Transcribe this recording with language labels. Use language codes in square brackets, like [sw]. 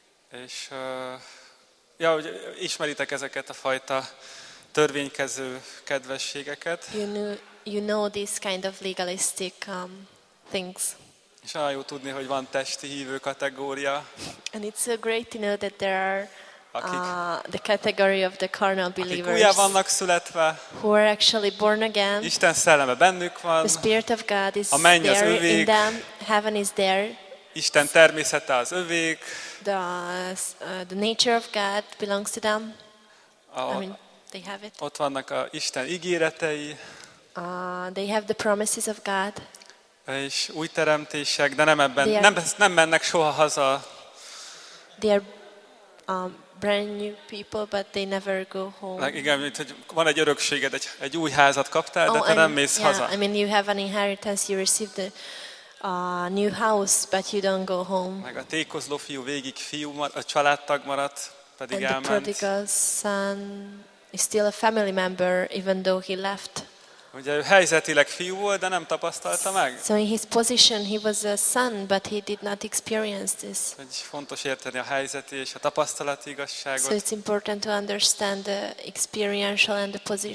[hu] És ja, hogy ismeritek ezeket a fajta törvénykező kedvességeket. [en] You know these kind of legalistic things. [hu] És olyan jó tudni, hogy van testi hívő kategória. [en] And it's so great to know that there are the category of the carnal believers. [hu] Akik újjá vannak születve. [en] Who are actually born again. [hu] Isten szelleme bennük van. [en] The spirit of God is there in them. Heaven is there. [hu] Isten természete az övék. [en] The nature of God belongs to them. They have it. [hu] Ott vannak a Isten ígéretei. [en] They have the promises of God. [hu] És új teremtések, de nem ebben, nem mennek soha haza. [en] They are brand new people, but they never go home. [hu] Like, igen, mint, hogy van egy örökséged, egy új házat kaptál, de te nem mész haza. [en] I mean, you have an inheritance, you receive the new house, but you don't go home. [hu] Meg a tékozló fiú végig fiú a családtag maradt, pedig [en] and [hu] elment. [en] And the prodigal son is still a family member, even though he left. [hu] Ugye ő helyzetileg fiú volt, de nem tapasztalta meg. [en] So in his position he was a son, but he did not experience this. [hu] Hogy fontos érteni a helyzeti és a tapasztalati igazságot. [en] So it's important to understand the experiential and the position.